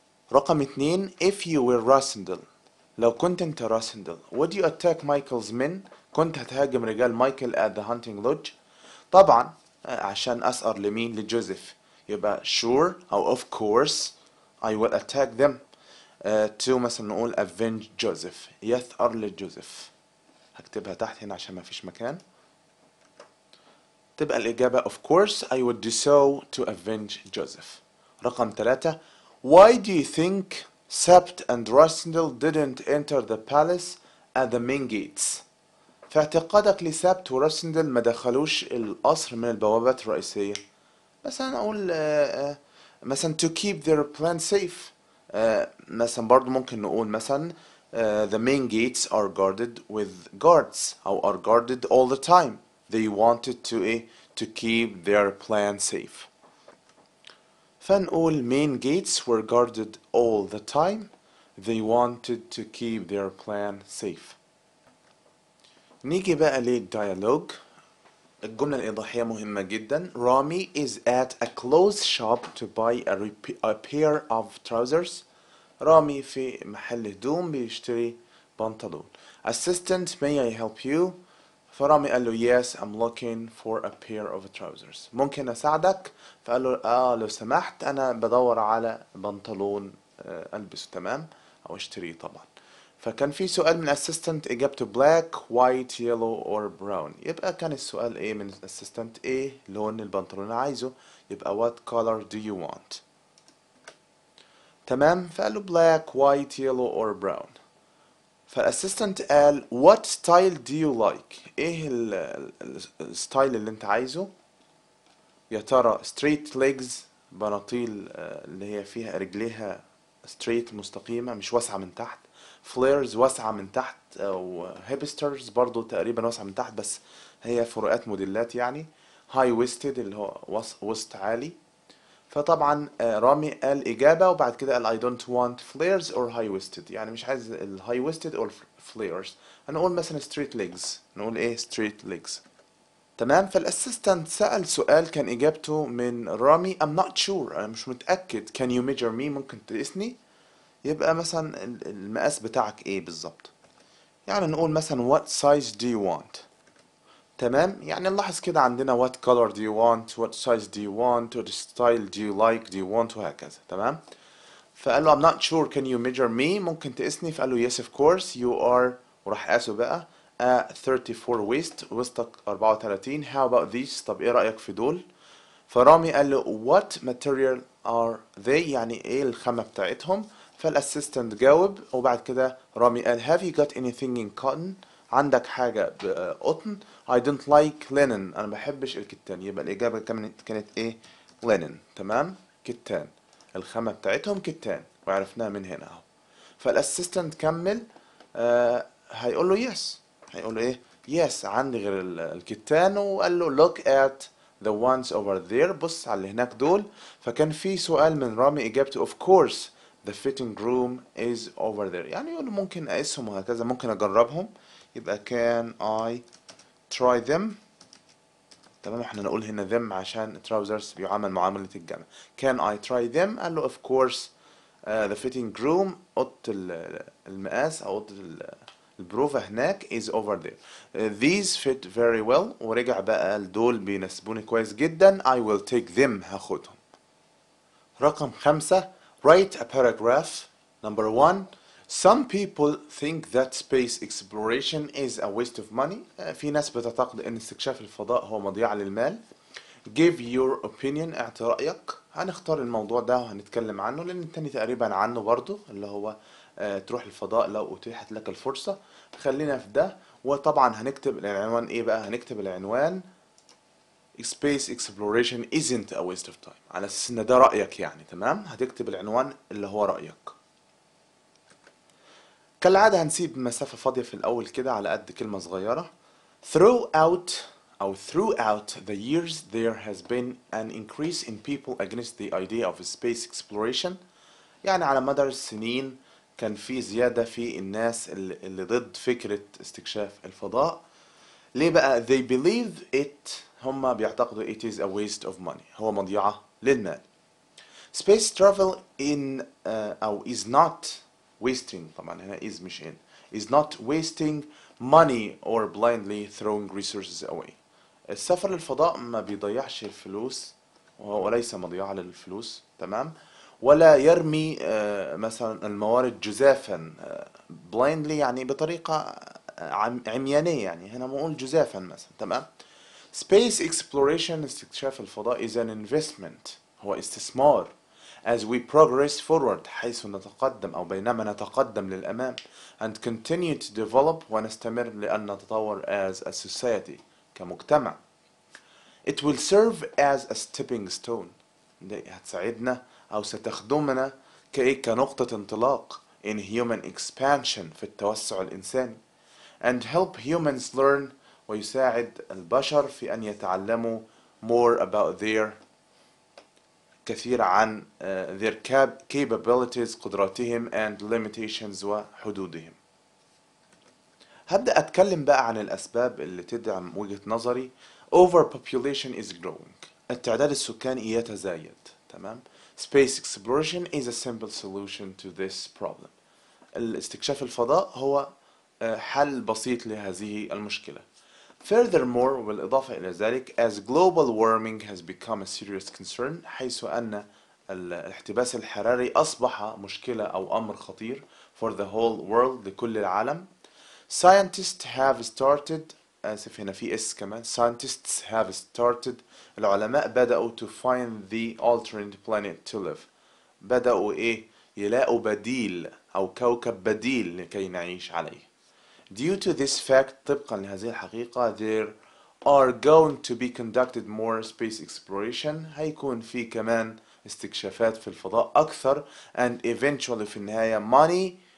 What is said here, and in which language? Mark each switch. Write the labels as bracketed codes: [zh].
[ar] رقم اتنين, [en] if you were Rassendyll, [ar] لو كنت انت [en] Rassendyll, would you attack Michael's men, [ar] كنت هتهاجم رجال مايكل [en] at the hunting lodge. [ar] طبعا عشان أسأر لمين, لجوزيف, يبقى sure أو of course [en] I will attack them [ar] to مثلا نقول [en] avenge Joseph, [ar] يثأر لجوزيف, هكتبها تحت هنا عشان ما فيش مكان. تبقى الإجابة [en] of course I would do so to avenge Joseph. [ar] رقم ثلاثة, [en] why do you think Sept and Rassendyll didn't enter the palace at the main gates, [ar] في اعتقادك لسبت وراسندل ما دخلوش القصر من البوابات الرئيسية. مثلا اقول مثلا [en] to keep their plan safe, [ar] مثلا برضو ممكن نقول مثلا [en] the main gates are guarded with guards, او are guarded all the time, they wanted to to keep their plan safe. فنقول main gates were guarded all the time, they wanted to keep their plan safe. [ar] نيجي بقى للديالوج, الجملة الإضاحية مهمة جدا, رامي [en] is at a clothes shop to buy a pair of trousers, [ar] رامي في محل هدوم بيشتري بنطلون. [en] Assistant, may I help you, [ar] فرامي قال له [en] yes I'm looking for a pair of trousers, [ar] ممكن أساعدك, فقال له لو سمحت أنا بدور على بنطلون ألبسه تمام أو أشتريه طبعا. فكان في سؤال من assistant إجابته black, white, yellow or brown, يبقى كان السؤال ايه من assistant, ايه لون البنطلون اللي عايزه, يبقى [en] what color do you want. [ar] تمام, فقال له [en] black, white, yellow or brown. [ar] فالassistant قال [en] what style do you like, [ar] ايه الستايل اللي انت عايزه, يا ترى straight legs, بناطيل اللي هي فيها رجليها straight مستقيمة مش واسعة من تحت, فليرز واسعة من تحت وهيبسترز برضو تقريبا واسعة من تحت، بس هي فروقات موديلات يعني. هاي ويستد اللي هو وسط عالي. فطبعا رامي قال إجابة وبعد كده قال [en] I don't want flares or high waisted، [ar] يعني مش عايز ال high waisted or flares. هنقول مثلا straight legs، نقول ايه straight legs، تمام. فالاسيستنت سأل سؤال كان إجابته من رامي [en] I'm not sure، [ar] أنا مش متأكد. [en] Can you measure me، [ar] ممكن تقيسني، يبقى مثلا المقاس بتاعك ايه بالظبط. يعني نقول مثلا [en] what size do you want، تمام. يعني نلاحظ كده عندنا what color do you want، what size do you want، what style do you like، do you want، وهكذا، تمام. [ar] فقال له [en] I'm not sure can you measure me، [ar] ممكن تقيسني. [en] فقال له yes of course you are، [ar] وراح قاسه بقى [en] a 34 waist، [ar] وسطك 34. [en] how about these، [ar] طب ايه رأيك في دول. فرامي قال له [en] what material are they، [ar] يعني ايه الخامة بتاعتهم. فالاسيستنت جاوب وبعد كده رامي قال [en] have you got anything in cotton، [ar] عندك حاجة بقطن. [en] I don't like linen، [ar] أنا بحبش الكتان. يبقى الإجابة كانت إيه؟ linen، تمام؟ كتان، الخامة بتاعتهم كتان، وعرفناها من هنا أهو. فالأسيستنت كمل هيقول له [en] yes، [ar] هيقول له إيه؟ yes عندي غير الكتان. [en] وقال له look at the ones over there، [ar] بص على اللي هناك دول. فكان في سؤال من رامي إجابته [en] of course the fitting room is over there، [ar] يعني يقول له ممكن أقيسهم وهكذا، ممكن أجربهم. يبقى [en] can I try them، تمام. [ar] احنا نقول هنا them عشان trousers بيعامل معاملة الجمع. [en] can I try them، [ar] قال له [en] of course the fitting room، قط المقاس او قط البروفة هناك is over there، these fit very well، [ar] ورجع بقى قال دول بيناسبوني كويس جدا، [en] I will take them، [ar] هاخدهم. رقم خمسة، [en] write a paragraph. number one، some people think that space exploration is a waste of money. [ar] في ناس بتعتقد ان استكشاف الفضاء هو مضيعة للمال. [en] give your opinion، [ar] اعطي رأيك. هنختار الموضوع ده وهنتكلم عنه لان التاني تقريبا عنه برضو، اللي هو تروح الفضاء لو اتيحت لك الفرصة. خلينا في ده. وطبعا هنكتب العنوان ايه بقى، هنكتب العنوان [en] space exploration isn't a waste of time، [ar] على اساس ان ده رأيك يعني، تمام. هتكتب العنوان اللي هو رأيك. كالعادة هنسيب مسافة فاضية في الأول كده على قد كلمة صغيرة. [en] throughout أو throughout the years there has been an increase in people against the idea of space exploration، [ar] يعني على مدار السنين كان في زيادة في الناس اللي ضد فكرة استكشاف الفضاء. ليه بقى؟ [en] they believe it، [ar] هما بيعتقدوا [en] it is a waste of money، [ar] هو مضيعة للمال. [en] space travel in أو is not wasting، [ar] طبعا هنا is مش in، [en] is not wasting money or blindly throwing resources away، [ar] السفر للفضاء ما بيضيعش الفلوس وليس مضيعة للفلوس، [en] تمام. [ar] ولا يرمي مثلا الموارد جزافا، blindly يعني بطريقة عميانية، يعني هنا بنقول جزافا مثلا، تمام. [en] space exploration، استكشاف الفضاء is an investment، [ar] هو استثمار. [en] as we progress forward، [ar] حيث نتقدم أو بينما نتقدم للأمام. [en] and continue to develop، [ar] ونستمر لأن نتطور [en] as a society، كمجتمع. it will serve as a stepping stone، [ar] ده هتساعدنا أو ستخدمنا كنقطة انطلاق [en] in human expansion، [ar] في التوسع الإنساني. [en] and help humans learn، [ar] ويساعد البشر في أن يتعلموا [en] more about their، كثير عن their capabilities، قدراتهم and limitations، وحدودهم. [ar] هبدأ أتكلم بقى عن الأسباب اللي تدعم وجهة نظري. [en] overpopulation is growing، [ar] التعداد السكاني يتزايد، تمام. [en] space exploration is a simple solution to this problem، [ar] الاستكشاف الفضاء هو حل بسيط لهذه المشكلة. [en] furthermore، وبالإضافة إلى ذلك، as global warming has become a serious concern، [ar] حيث أن الاحتباس الحراري أصبح مشكلة أو أمر خطير [en] for the whole world، لكل العالم. scientists have started، [ar] آسف هنا في إس كمان، scientists have started، العلماء بدأوا [en] to find the alternate planet to live، [ar] بدأوا إيه؟ يلاقوا بديل أو كوكب بديل لكي نعيش عليه. [en] due to this fact، طبقا لهذه الحقيقة، there are going to be conducted more space exploration، [ar] هيكون في كمان استكشافات في الفضاء أكثر. [en] and eventually في النهاية money